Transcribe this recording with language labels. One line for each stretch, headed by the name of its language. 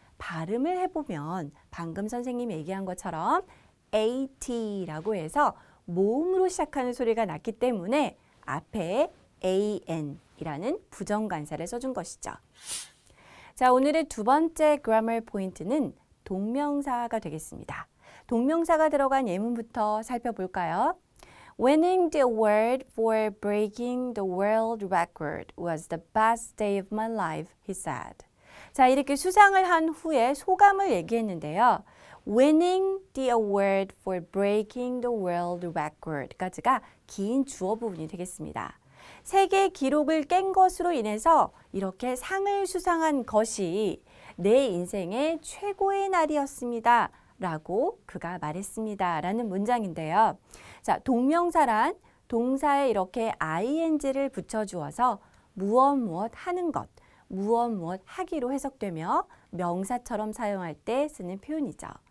Korean: 발음을 해보면 방금 선생님이 얘기한 것처럼 80라고 해서 모음으로 시작하는 소리가 났기 때문에 앞에 an이라는 부정관사를 써준 것이죠. 자, 오늘의 두 번째 grammar 포인트는 동명사가 되겠습니다. 동명사가 들어간 예문부터 살펴볼까요?
English: Winning the award for breaking the world record was the best day of my life, he said.
Korean: 자, 이렇게 수상을 한 후에 소감을 얘기했는데요.
English: winning the award for breaking the world record까지가
Korean: 긴 주어 부분이 되겠습니다. 세계 기록을 깬 것으로 인해서 이렇게 상을 수상한 것이 내 인생의 최고의 날이었습니다. 라고 그가 말했습니다. 라는 문장인데요. 자, 동명사란 동사에 이렇게 ing를 붙여주어서 무엇 무엇 하는 것, 무엇 무엇 하기로 해석되며 명사처럼 사용할 때 쓰는 표현이죠.